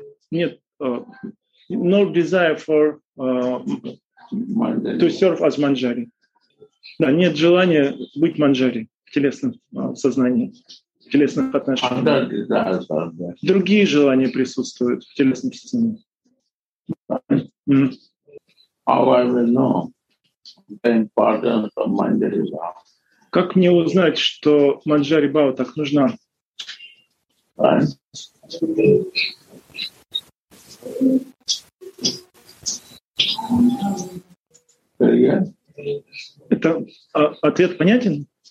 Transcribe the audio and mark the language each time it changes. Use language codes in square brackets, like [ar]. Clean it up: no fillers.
[en] Нет, no desire for to serve as manjari. [ru] Да, нет желания быть манджари в телесном сознании. В телесных отношениях. Другие желания присутствуют в телесном сознании. [en] How I will know the importance of manjari bhava? [ru] Как мне узнать, что манджари бхава так нужна? Это ответ понятен?